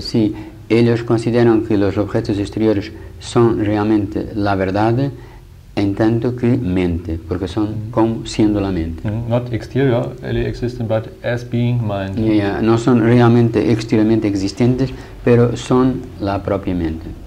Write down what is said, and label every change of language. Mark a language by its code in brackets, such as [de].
[es] Sí, ellos consideran que los objetos exteriores son realmente la verdad, en tanto que mente, porque son como siendo la mente. Mm-hmm. [en] Not exterior, really existent, but as being mind. [es] Yeah, no son realmente exteriormente existentes, pero son la propia mente.